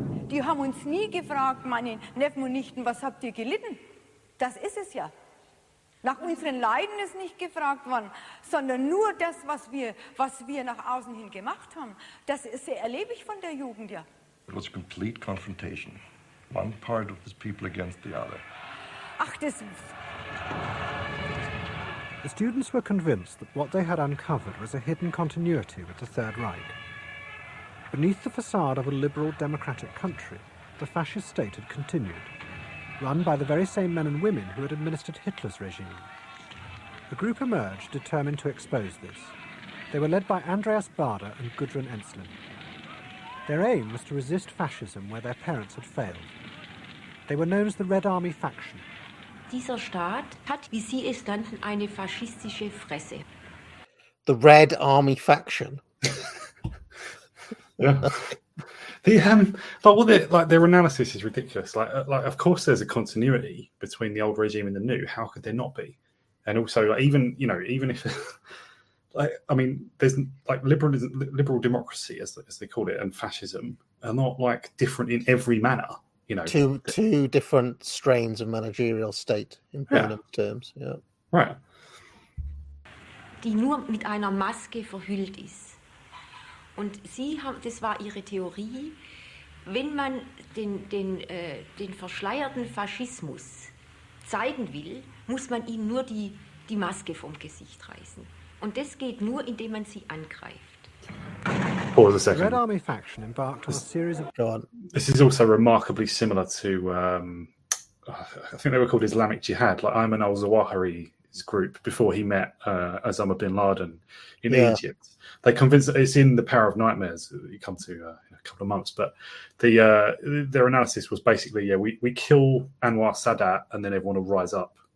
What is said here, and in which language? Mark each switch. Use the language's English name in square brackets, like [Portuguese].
[German] Die haben uns nie gefragt, meine Neffen und Nichten, was habt ihr gelitten? Das ist es ja. Nach unseren Leiden ist nicht gefragt worden, sondern nur das, was wir nach außen hin gemacht haben. Das ist sehr erlebig von der Jugend, ja. [English] It was a complete confrontation. One part of this people against the other. Ach, this. The students were convinced that what they had uncovered was a hidden continuity with the Third Reich. Beneath the facade of a liberal democratic country, the fascist state had continued, run by the very same men and women who had administered Hitler's regime. A group emerged determined to expose this. They were led by Andreas Baader and Gudrun Enslin. Their aim was to resist fascism where their parents had failed. They were known as the Red Army Faction. [German] Dieser Staat hat, wie Sie es nannten, eine faschistische Fresse. [English] The Red Army Faction. Their analysis is ridiculous. Like, of course there's a continuity between the old regime and the new. How could there not be? And also, like, even, you know, even if... I mean, there's like liberal democracy, as they call it, and fascism are not like different in every manner, you know. Two different strains of managerial state in terms, yeah. Right. [German] Die nur mit einer Maske verhüllt ist. Und sie haben, das war ihre Theorie, wenn man den verschleierten Faschismus zeigen will, muss man ihm nur die Maske vom Gesicht reißen. Und das geht nur, indem man sie angreift. [English] Pause a second. The Red Army Faction embarked on a series of... Go on. This is also remarkably similar to, I think they were called Islamic Jihad, like Ayman al-Zawahiri's group before he met Osama bin Laden in Egypt. They convinced that it's in The Power of Nightmares that you come to in a couple of months, but their analysis was basically, we kill Anwar Sadat and then everyone will rise up.